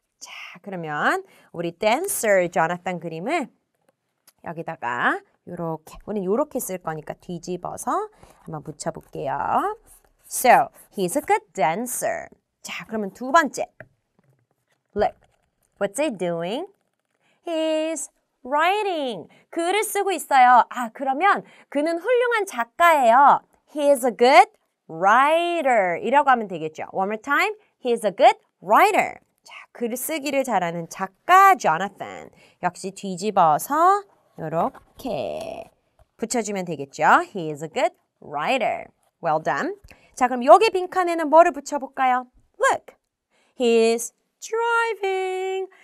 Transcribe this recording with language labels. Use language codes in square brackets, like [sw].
[ko] 자, 그러면 우리 dancer Jonathan 그림을 여기다가 요렇게, 우리는 요렇게 쓸 거니까 뒤집어서 한번 붙여볼게요. [en] So, he is a good dancer. [ko] 자, 그러면 두 번째. [en] Look, what's he doing? He's writing. [ko] 글을 쓰고 있어요. 아, 그러면 그는 훌륭한 작가예요. [en] He is a good writer [ko] 이라고 하면 되겠죠. [en] One more time. He is a good writer. [ko] 자, 글쓰기를 잘하는 작가 Jonathan. 역시 뒤집어서 이렇게 붙여주면 되겠죠. [en] He is a good writer. Well done. [ko] 자, 그럼 여기 빈칸에는 뭐를 붙여볼까요? [en] Look. He is driving.